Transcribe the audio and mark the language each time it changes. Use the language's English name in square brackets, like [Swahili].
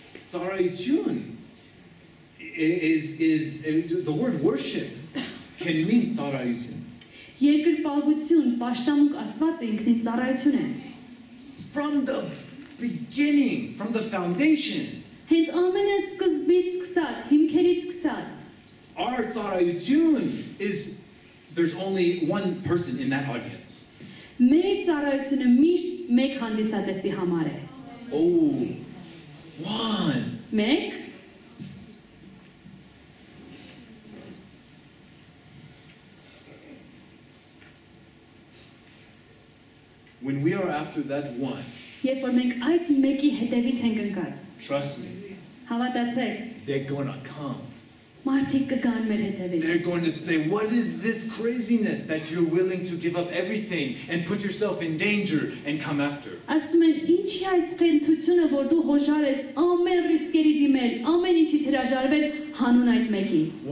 [English] Tzarayutyun is the word worship can mean tzarayutyun. [Armenian] Երկրպագություն, պաշտամունք Աստված ինքնին ծառայություն է։ [English] From the beginning, from the foundation. [Armenian] Հենց ամենասկզբից սկսած, հիմքերից սկսած. [English] Our tzarayutyun is there's only one person in that audience. [Armenian] Մեր ծառայությունը միշտ մեկ հանդիսատեսի համար է։ [English] Oh. One. [Armenian] Մեկ [English] When we are after that one, [Armenian] Երբ որ մենք այդ մեկի հետևից ենք ընկած։ [English] Trust me. [Armenian] Հավատացեք։ [English] They're going to come. [Armenian] Մարդիկ կգան մեր հետևից։ [English] They're going to say, "What is this craziness that you're willing to give up everything and put yourself in danger and come after?" [Armenian] Ասում են, ինչի այս քնթությունը, որ դու հոշար ես ամեն ռիսկերի դիմել, ամեն ինչի հրաժարվել հանուն այդ մեկի։